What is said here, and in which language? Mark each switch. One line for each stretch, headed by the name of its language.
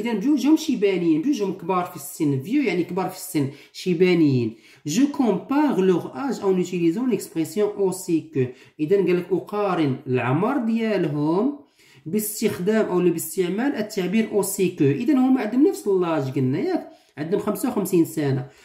Arabic: اذا جوجهم شيبانيين، جوجهم كبار في السن. vieux يعني كبار في السن، شيبانيين.
French: Je compare leur âge en utilisant l'expression aussi que.
Arabic: اذا قال لك اقارن العمر ديالهم باستخدام او باستعمال التعبير اوسي كو. اذا هما عندهم نفس اللاج قلنا ياك، عندهم 55 سنه.